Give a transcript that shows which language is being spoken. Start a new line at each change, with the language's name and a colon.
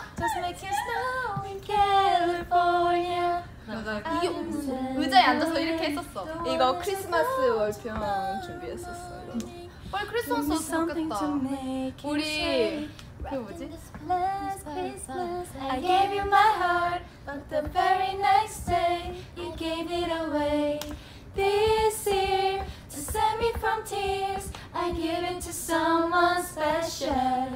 English: Just make it snow in California.
Korean: 이게 의자에 앉아서 이렇게 했었어. 이거 크리스마스 월평 준비했었어. 빨리 크리스마스 좋겠다. 우리 그 뭐지?
English: I gave you my heart, but the very next day you gave it away. This year to save me from tears. I give it to someone special.